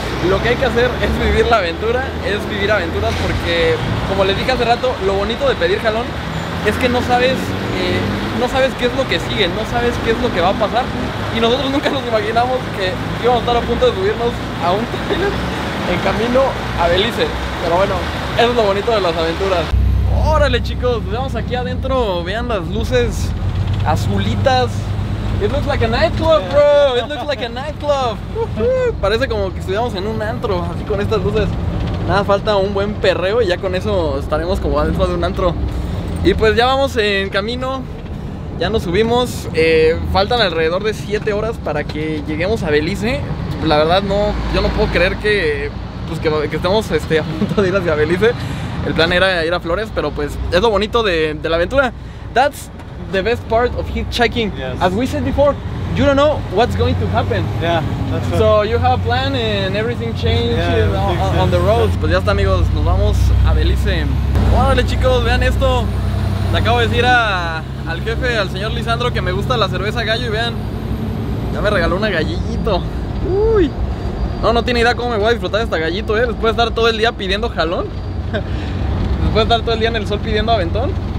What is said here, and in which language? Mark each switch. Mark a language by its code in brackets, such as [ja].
[es] Lo que hay que hacer es vivir la aventura, es vivir aventuras, porque, como les dije hace rato, lo bonito de pedir jalón es que no sabes qué es lo que sigue, no sabes qué es lo que va a pasar. Y nosotros nunca nos imaginamos que íbamos a estar a punto de subirnos a un trailer en camino a Belice. Pero bueno, eso es lo bonito de las aventuras. ¡Órale, chicos! Veamos aquí adentro, vean las luces azulitas. [en] It looks like a nightclub, bro. It looks like a nightclub. [es] Parece como que estuviéramos en un antro, así con estas luces. Nada, falta un buen perreo y ya con eso estaremos como adentro de un antro. Y pues ya vamos en camino. Ya nos subimos. Faltan alrededor de 7 horas para que lleguemos a Belice. La verdad, no, yo no puedo creer que, pues que estemos a punto de ir hacia Belice. El plan era ir a Flores, pero pues es lo bonito de la aventura. [en] That's the best part of hitchhiking. Yes. As we said before, you don't know what's going to happen. Yeah, that's so right. You have a plan and everything changes, yeah, on the roads. Yeah. [es] Pues ya está, amigos, nos vamos a Belice. Órale, chicos, vean esto. Le acabo de decir al jefe, al señor Lisandro, que me gusta la cerveza gallo y vean, ya me regaló una gallito. Uy, no tiene idea cómo me voy a disfrutar de esta gallito, ¿eh? Después de estar todo el día pidiendo jalón, después de estar todo el día en el sol pidiendo aventón.